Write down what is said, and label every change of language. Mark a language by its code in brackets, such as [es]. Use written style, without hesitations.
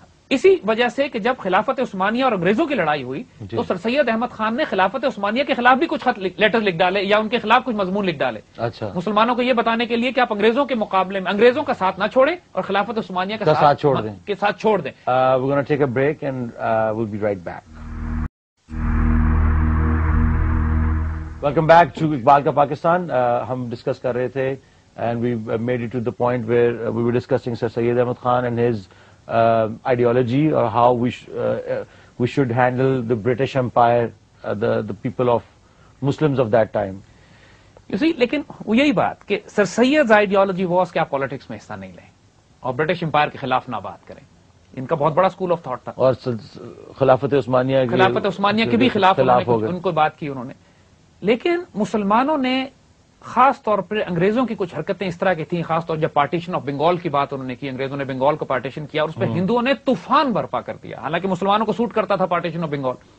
[ur] اسی وجہ سے کہ جب خلافت عثمانیہ اور انگریزوں کی لڑائی ہوئی جی. تو سر سید احمد خان نے خلافت عثمانیہ کے خلاف بھی کچھ لیٹر لکھ ڈالے یا ان کے خلاف کچھ مضمون لکھ ڈالے اچھا. مسلمانوں کو یہ بتانے کے لیے کہ آپ انگریزوں کے مقابلے میں انگریزوں کا ساتھ نہ چھوڑیں اور خلافت عثمانیہ کا ساتھ چھوڑ دیں. کے ساتھ چھوڑ دیں. [en] We're gonna take a break and we'll be right back. Welcome back to Iqbal کا پاکستان. [ur] ہم ڈسکس کر رہے تھے [en] and we made it to the point where we were discussing Sir Syed Ahmed Khan and his ideology or how we should handle the British Empire, the people of Muslims of that time. [ur] You see, lekin wo yahi baat ke [en] Sir Sayyid's ideology was [ur] ke aap politics mein hissa nahi le aur British Empire ke khilaf na baat kare. Inka bahut bada school of thought tha aur khilafat-e-Uthmaniya ke bhi khilaf ho gaye, unko baat ki unhone. Lekin musalmanon ne خاص طور پر انگریزوں کی کچھ حرکتیں اس طرح کی تھیں, خاص طور جب پارٹیشن آف بنگال کی بات انہوں نے کی, انگریزوں نے بنگال کو پارٹیشن کیا اور اس پہ ہندوؤں نے طوفان برپا کر دیا, حالانکہ مسلمانوں کو سوٹ کرتا تھا پارٹیشن آف بنگال,